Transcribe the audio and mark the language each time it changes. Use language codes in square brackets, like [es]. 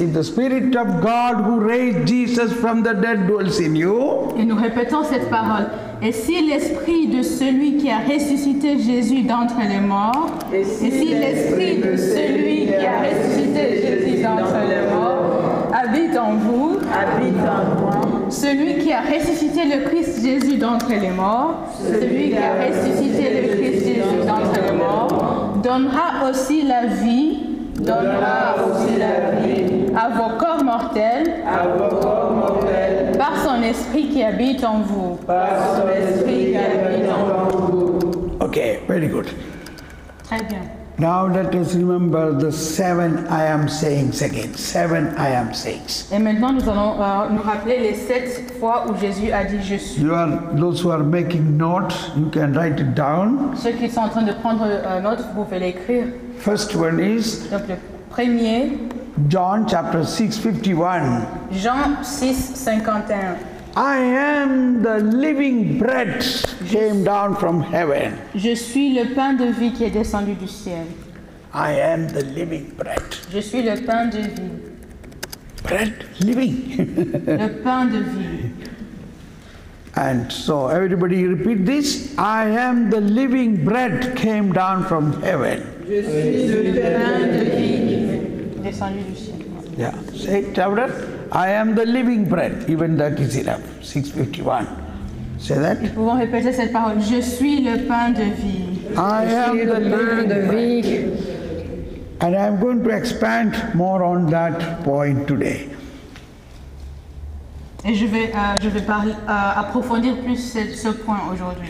[en] If the Spirit of God who raised Jesus from the dead dwells in you. [fr] Et nous répétons cette parole. Et si l'esprit de celui qui a ressuscité Jésus d'entre les morts, donnera aussi la vie à vos corps mortels. Par son esprit qui habite en vous. [en] Okay, very good. [fr] Très bien. [en] Now let us remember the seven I am sayings again. Seven I am sayings. [fr] Et maintenant nous allons nous rappeler les sept fois où Jésus a dit je suis. [en] You are those who are making notes, you can write it down. [fr] Ceux qui sont en train de prendre notes, vous pouvez l'écrire. [en] First one is. [fr] Donc le premier. [en] John chapter 6:51. [fr] Jean 6:51. [en] I am the living bread came down from heaven. [fr] Je suis le pain de vie qui est descendu du ciel. [en] I am the living bread. [fr] Je suis le pain de vie. [en] Bread living. [fr] Le pain de vie. [en] And so everybody repeat this. I am the living bread came down from heaven. [fr] Je suis le pain de vie. [en] Yeah, say it louder. I am the living bread. Even that is enough. 6:51. Say that. [fr] Nous pouvons répéter cette parole. Je suis le pain de vie. [en] I am the pain of life. And I am going to expand more on that point today. [fr] Et je vais approfondir plus ce point aujourd'hui.